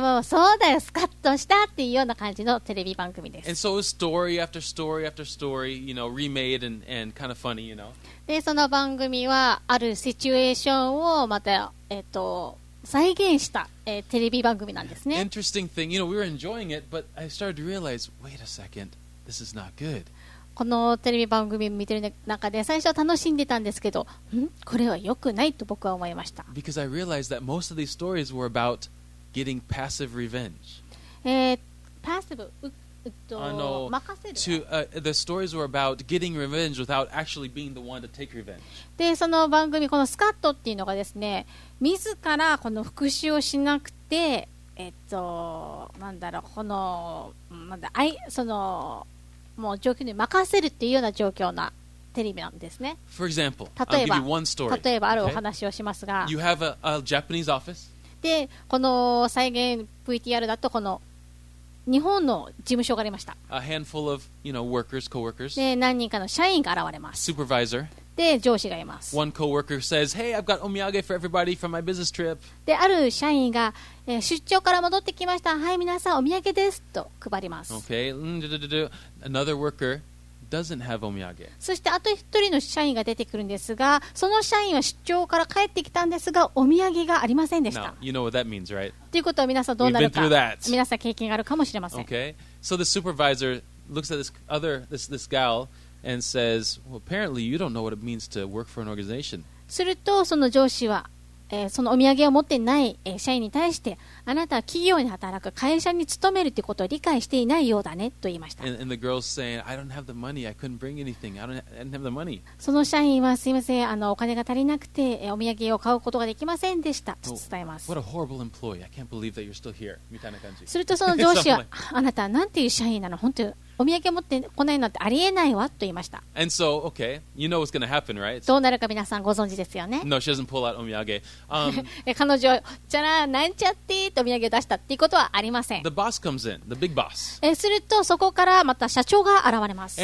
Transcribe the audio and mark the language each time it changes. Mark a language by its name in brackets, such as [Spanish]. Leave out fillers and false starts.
[Japanese] もうそうだよ。スカッとしたっていうような感じのテレビ番組です。 [English] And so story after story after story, you know, remade and kind of funny, you know. [Japanese] で、その番組はあるシチュエーションをまた、再現した、テレビ番組なんですね。 [English] Interesting thing. You know, we were enjoying it, but I started to realize, wait a second, this is not good. [Japanese] このテレビ番組を見てる中で最初は楽しんでたんですけど、これは良くないと僕は思いました。 [English] Because I realized that most of these stories were about getting passive revenge. passive [Japanese] 任せる。 [English] The stories were about getting revenge without actually being the one to take revenge. [Japanese] で、その番組、このスカットっていうのがですね、自らこの復讐をしなくて、なんだろう、この、なんだ、その、もう状況に任せるっていうような状況な。テレビなんですね。 [English] For example, [Japanese] 例えば、例えばあるお話をしますが、 [English] you have a Japanese office. [Japanese] で、この再現 VTR だとこの日本の事務所がありました。 [English] A handful of, you know, workers, coworkers. [Japanese] で、何人かの社員が現れます。 [English] Supervisor. [Japanese] で、上司がいます。 [English] One coworker says, "Hey, I've got omiyage for everybody from my business trip." [Japanese] で、ある社員が、出張から戻ってきました。はい、皆さんお土産ですと配ります。 [English] Okay. Another worker. Doesn't have omiyage. [Japanese] そしてあと一人の社員が出てくるんですが、その社員は出張から帰ってきたんですが、お土産がありませんでした。 [English] No, you know what that means, right? [Japanese] ということは皆さんどうなるか。 [English] We've been through that. [Japanese] 皆さん経験があるかもしれません。 [English] Okay. So the supervisor looks at this gal and says, well, apparently you don't know what it means to work for an organization. [Japanese] するとその上司は、そのお土産を持ってない社員に対して、あなたは企業に働く、会社に勤めるということを理解していないようだねと言いました。 [English] And the girl's saying, I don't have the money, I couldn't bring anything, I didn't have the money. [Japanese] その社員は、すいません、お金が足りなくて、お土産を買うことができませんでしたと伝えます。 [English] What a horrible employee, I can't believe that you're still here, [Japanese] みたいな感じ。するとその上司は、あなたはなんていう社員なの、本当にお土産持ってこないなんてありえないわと言いました。 [English] And so, okay, you know what's going to happen, right? [Japanese] どうなるか皆さんご存知ですよね。 [English] No, she doesn't pull out お土産。 [Japanese] 彼女、じゃらなんちゃってお土産を出したっていうことはありません。 [English] The boss comes in, the big boss. [Japanese] するとそこからまた社長が現れます。